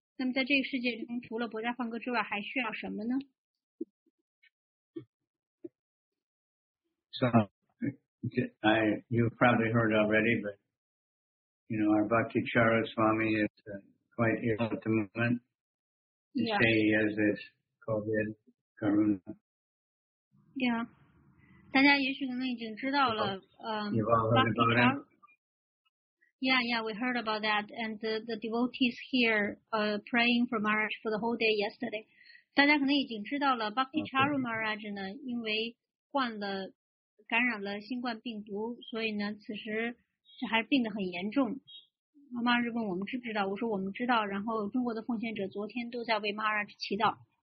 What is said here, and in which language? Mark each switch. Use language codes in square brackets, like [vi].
[zh] 那么在这个世界中, 除了 伯家放歌之外, 还需要什么呢? [en] So, you've probably heard already, but, you know, our Bhaktichara Swami is quite ill at the moment. They yeah. say he has this COVID, Karuna. Yeah. [zh] 大家也许可能已经知道了, [en] you've all heard about it? Yeah, yeah, we heard about that. And the devotees here praying for Maharaj for the whole day yesterday. [zh] 大家可能已经知道了, Bhaktichara Maharaj 呢,因为患了 感染了新冠病毒，所以呢，此时还病得很严重。妈妈就问我们知不知道，我说我们知道。然后中国的奉献者昨天都在为Maharaj祈祷。